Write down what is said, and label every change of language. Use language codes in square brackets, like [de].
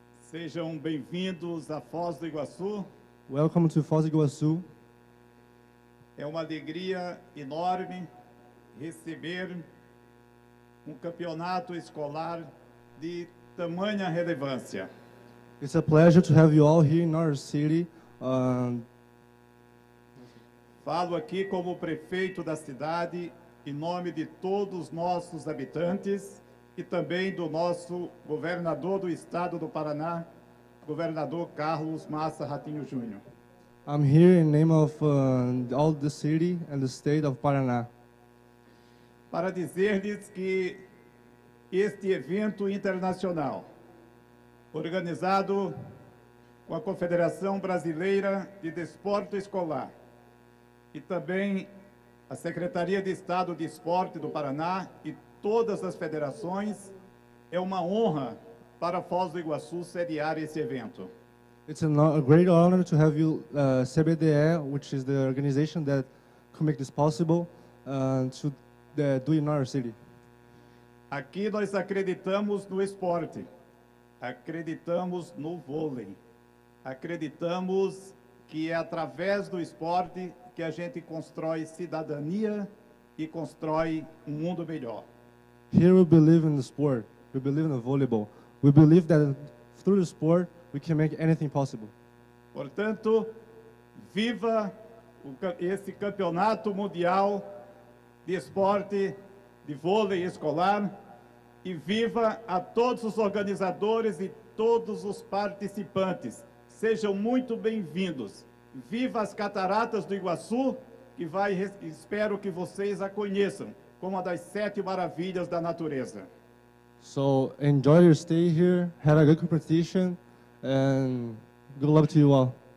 [en] Sejam bem-vindos a Foz do Iguaçu. Welcome to Foz do Iguaçu. [pt] É uma alegria enorme receber um campeonato escolar de tamanha relevância. [en] It's a pleasure to have you all here in our city. [pt] Falo aqui como prefeito da cidade em nome de todos os nossos habitantes e também do nosso governador do estado do Paraná, governador Carlos Massa Ratinho Júnior. [en] I'm here in name of all the city and the state of Paraná. [pt] Para dizer-lhes que este evento internacional, organizado com a Confederação Brasileira de Desporto Escolar e também a Secretaria de Estado de Esporte do Paraná e todas as federações, é uma honra para Foz do Iguaçu sediar esse evento. [en] It's a great honor to have you, CBDE, which is the organization that can make this possible, to do in our city. [pt] Aqui nós acreditamos no esporte, acreditamos no vôlei, acreditamos que é através do esporte que a gente constrói cidadania e constrói um mundo melhor. [en] Here we believe in the sport, we believe in the volleyball. We believe that through the sport, we can make anything possible. [pt] Portanto, viva esse campeonato mundial de esporte, de vôlei escolar, e viva a todos os organizadores e todos os participantes. Sejam muito bem-vindos. Viva as Cataratas do Iguaçu, que vai, espero que vocês a conheçam como uma das sete maravilhas da natureza. [en] So, enjoy your stay here, have a good competition, and good luck to you all.